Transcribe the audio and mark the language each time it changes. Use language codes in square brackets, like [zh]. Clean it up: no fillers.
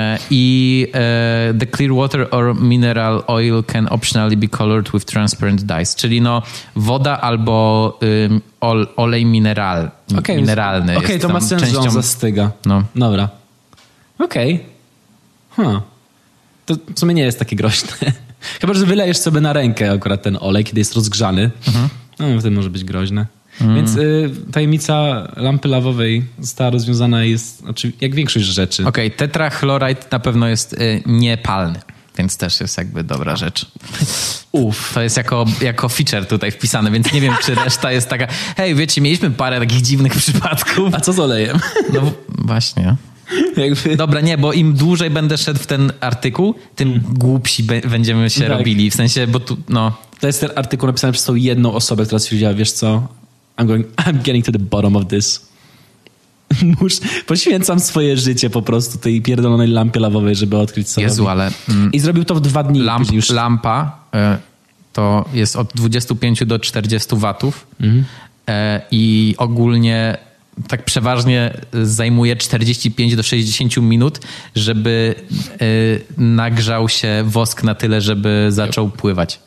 [en] I the clear water or mineral oil can optionally be colored with transparent dyes. [pl] Czyli no woda albo olej mineralny. Okej, okay, to ma sens, częścią... że on zastyga. No. Dobra. Okej. Okay. Huh. To w sumie nie jest takie groźne. Chyba, że wylejesz sobie na rękę akurat ten olej, kiedy jest rozgrzany. Mhm. No, wtedy może być groźne. Mm. Więc tajemnica lampy lawowej została rozwiązana jest, znaczy, jak większość rzeczy. Okej, okay, tetrachloraid na pewno jest niepalny, więc też jest jakby dobra rzecz. Uff. To jest jako feature tutaj wpisane, więc nie wiem, czy reszta jest taka... Hej, wiecie, mieliśmy parę takich dziwnych przypadków. A co z olejem? No właśnie. Jakby... Dobra, nie, bo im dłużej będę szedł w ten artykuł, tym głupsi będziemy się robili. W sensie, bo tu, no... To jest ten artykuł napisany przez tą jedną osobę, która stwierdziła, wiesz co... [en] I'm getting to the bottom of this. [pl] Poświęcam swoje życie po prostu tej pierdolonej lampie lawowej, żeby odkryć co Jezu, robi. Ale... I zrobił to w dwa dni. Lampa to jest od 25 do 40 watów. I ogólnie tak przeważnie zajmuje 45 do 60 minut, żeby nagrzał się wosk na tyle, żeby zaczął pływać.